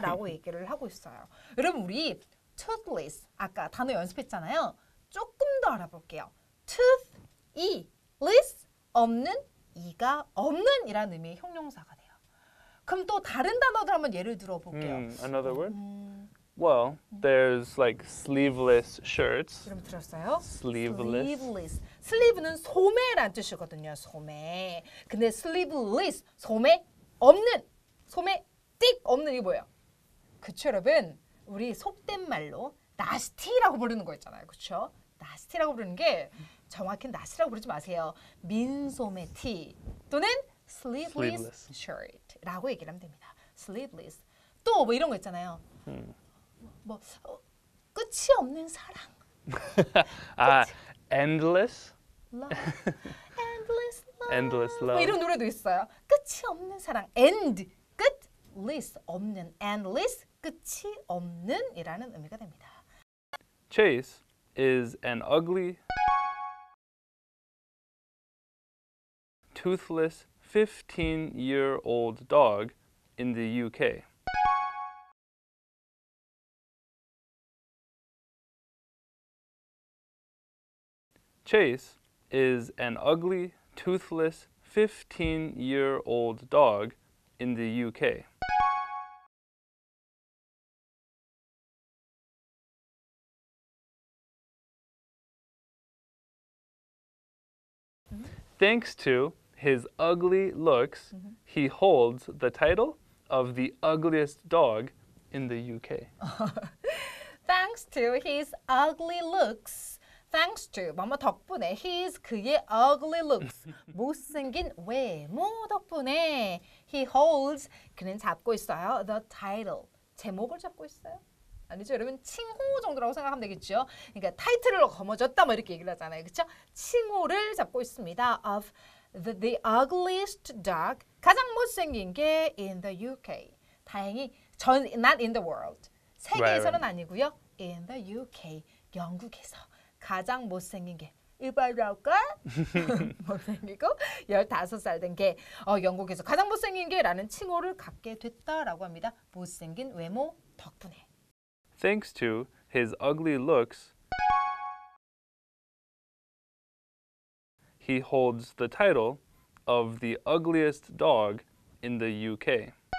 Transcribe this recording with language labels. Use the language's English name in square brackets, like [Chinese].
[Korean] 라고 얘기를 하고 있어요. 여러분, 우리 toothless, 아까 단어 연습했잖아요. 조금 더 알아볼게요. Toothless, 없는 이가 없는 이라는 의미의 형용사가 돼요. 그럼 또 다른 단어들 한번 예를 들어볼게요. [English] Another word? Well, there's like sleeveless shirts. [Korean] 이름 들었어요? [English] Sleeveless. Sleeveless. [Korean] Sleeve는 소매란 뜻이거든요. 소매. 근데 sleeveless, 소매 없는, 소매 띡 없는 이게 뭐예요? 그쵸, 여러분? 우리 속된 말로 nasty라고 부르는 거 있잖아요. 그쵸? nasty라고 부르는 게 정확히 나스라고 부르지 마세요. 민소매 티 또는 sleeveless shirt 라고 얘기를 하면 됩니다. sleeveless. 또 뭐 이런 거 있잖아요. 뭐 끝이 없는 사랑. [English] 아, endless love. Endless love. Endless love. [Korean] 뭐 이런 노래도 있어요. 끝이 없는 사랑. End, 끝, less, 없는. Endless, 끝이 없는 이라는 의미가 됩니다. [English] Chase is an ugly toothless 15-year-old dog in the UK. Chase is an ugly, toothless 15-year-old dog in the UK. 음? Thanks to his ugly looks, he holds the title of the ugliest dog in the UK. Thanks to his ugly looks. Thanks to, [Korean] 뭐뭐 덕분에, [English] his, [Korean] 그의 [English] ugly looks, [Korean] 못생긴 외모 덕분에, [English] he holds, [Korean] 그는 잡고 있어요, [English] the title, [Korean] 제목을 잡고 있어요. 아니죠, 여러분, 칭호 정도라고 생각하면 되겠죠. 그러니까 타이틀을 거머쥐었다, 뭐 이렇게 얘기를 하잖아요, 그렇죠? 칭호를 잡고 있습니다, [English] of the ugliest dog, [Korean] 가장 못생긴 게 [English] in the UK. [Korean] 다행히, 전, [English] not in the world, [Korean] 세계에서는 [English] right. [Korean] 아니고요, [English] in the UK, [Korean] 영국에서. 가장 못생긴 게 이발라우가 못생기고 15살 된 게 영국에서 가장 못생긴 게 라는 칭호를 갖게 됐다라고 합니다. 못생긴 외모 덕분에. [English] Thanks to his ugly looks, he holds the title of the ugliest dog in the UK.